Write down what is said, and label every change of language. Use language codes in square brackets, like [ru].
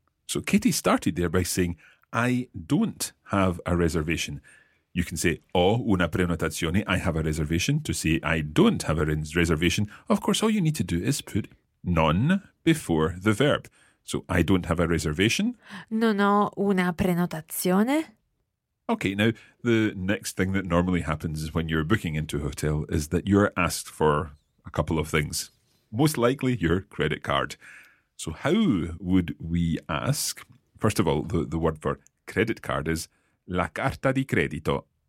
[en] So Katie started there by saying, I don't have a reservation. You can say, [it] ho una prenotazione, [en] I have a reservation. To say, I don't have a reservation, of course, all you need to do is put [it] non [en] before the verb. So, I don't have a reservation. [it] Non ho una prenotazione. [en] Okay, now, the next thing that normally happens when you're booking into a hotel is that you're asked for a couple of things. Most likely, your credit card. So, how would we ask? First of all, the word for credit card is [it] la carta di credito.